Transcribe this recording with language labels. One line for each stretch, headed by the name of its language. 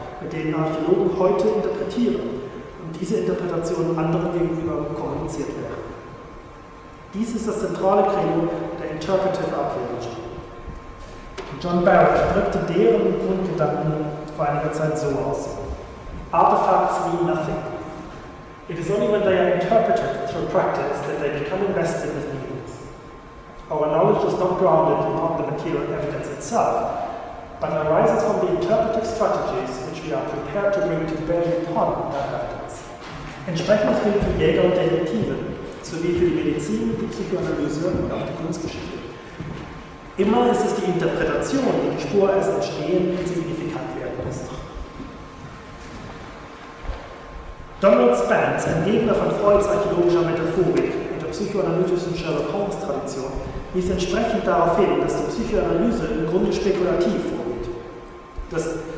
German: bei denen Archäologen heute interpretieren und diese Interpretationen anderen gegenüber kommuniziert werden. Dies ist das zentrale Credo der Interpretive Archaeology. John Barrett drückte deren Grundgedanken vor einiger Zeit so aus:
English: Artifacts mean nothing. It is only when they are interpreted through practice that they become invested with meanings. Our knowledge is not grounded upon the material evidence itself, but arises from the interpretive strategies which we are prepared to bring to bear upon that evidence.
German: Entsprechend gilt für Jäger und Detektive, sowie für die Medizin, die Psychoanalyse und auch die Kunstgeschichte. Immer ist es die Interpretation, die die Spur erst entstehen und signifikant werden lässt. Donald Spence, ein Gegner von Freuds archäologischer Metaphorik und der psychoanalytischen Sherlock Holmes-Tradition, wies entsprechend darauf hin, dass die Psychoanalyse im Grunde spekulativ vorgeht.